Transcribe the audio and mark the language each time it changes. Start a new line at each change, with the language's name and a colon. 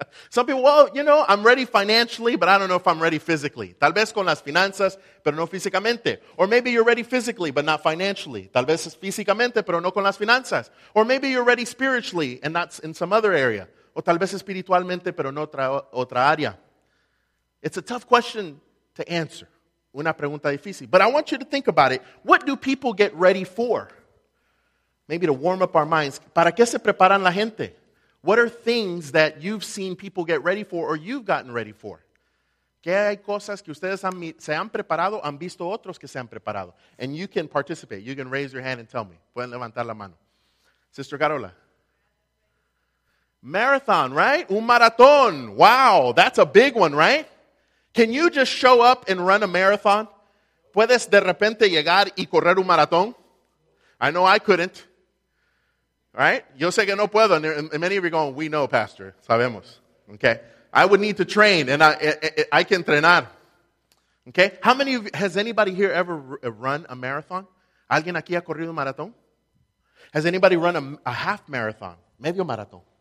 English: Some people, well, you know, I'm ready financially, but I don't know if I'm ready physically.
Spanish: Tal vez con las finanzas, pero no físicamente.
English: Or maybe you're ready physically, but not financially.
Spanish: Tal vez es físicamente, pero no con las finanzas.
English: Or maybe you're ready spiritually, and that's in some other area.
Spanish: O tal vez espiritualmente, pero en otra área.
English: It's a tough question to answer.
Spanish: Una pregunta difícil.
English: But I want you to think about it. What do people get ready for? Maybe to warm up our minds.
Spanish: ¿Para qué se preparan la gente?
English: What are things that you've seen people get ready for or you've gotten ready for?
Spanish: ¿Qué hay cosas que ustedes se han preparado, han visto otros que se han preparado?
English: And you can participate. You can raise your hand and tell me.
Spanish: Pueden levantar la mano. Sister Carola.
English: Marathon, right?
Spanish: Un maratón.
English: Wow, that's a big one, right? Can you just show up and run a marathon?
Spanish: ¿Puedes de repente llegar y correr un maratón?
English: I know I couldn't. Right?
Spanish: Yo sé que no puedo.
English: And many of you are going, we know, Pastor.
Spanish: Sabemos.
English: Okay? I would need to train, and I can entrenar. Okay? How many of you, has anybody here ever run a marathon?
Spanish: ¿Alguien aquí ha corrido un maratón?
English: Has anybody run a half marathon?
Spanish: Medio maratón.